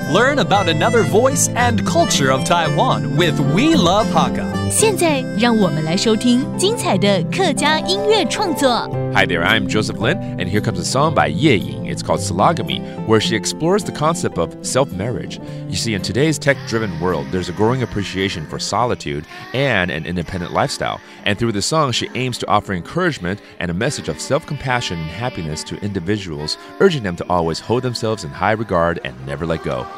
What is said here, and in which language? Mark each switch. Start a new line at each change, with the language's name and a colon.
English: Learn about another voice and culture of Taiwan with We Love Hakka.
Chinese: 现在让我们来收听精彩的客家音乐创作。
English: Hi there, I'm Joseph Lin, and here comes a song by Yeh-Ying. It's called Sologamy, where she explores the concept of self-marriage. You see, in today's tech-driven world, there's a growing appreciation for solitude and an independent lifestyle. And through the song, she aims to offer encouragement and a message of self-compassion and happiness to individuals, urging them to always hold themselves in high regard and never let go.